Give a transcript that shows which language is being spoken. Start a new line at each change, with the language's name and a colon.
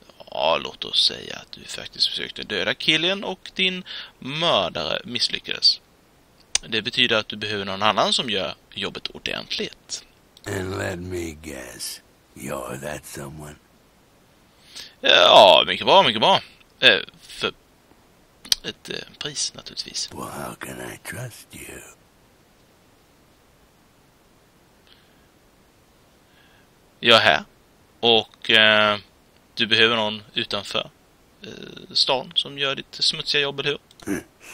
Swedish: Ja, låt oss säga att du faktiskt försökte döda killen och din mördare misslyckades. Det betyder att du behöver någon annan som gör jobbet ordentligt.
English: And let me guess, you're that someone.
Swedish: Ja, mycket bra, mycket bra. För ett pris naturligtvis.
English: Well, how can I trust you?
Swedish: Jag är här. Och du behöver någon utanför stan som gör ditt smutsiga jobb, eller hur?